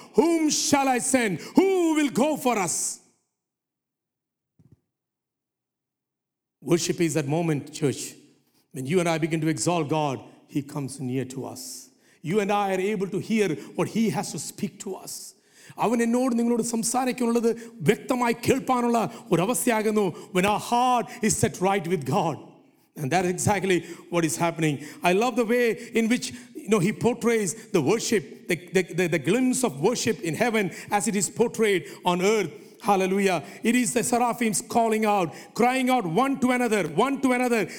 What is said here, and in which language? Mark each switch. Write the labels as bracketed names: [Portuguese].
[English] Whom shall I send? Who will go for us? Worship is that moment, church, when you and I begin to exalt God, he comes near to us. You and I are able to hear what he has to speak to us. [Malayalam] അവൻ എന്നോട് നിങ്ങളോട് സംസാരിക്കാനുള്ളത് വ്യക്തമായി കേൾപ്പാനുള്ള ഒരവസ്ഥയാകുന്നു. [English] When our heart is set right with God. And that is exactly what is happening. I love the way in which, you know, he portrays the worship, the glimpse of worship in heaven as it is portrayed on earth. Hallelujah. It is the seraphims calling out, crying out one to another, one to another.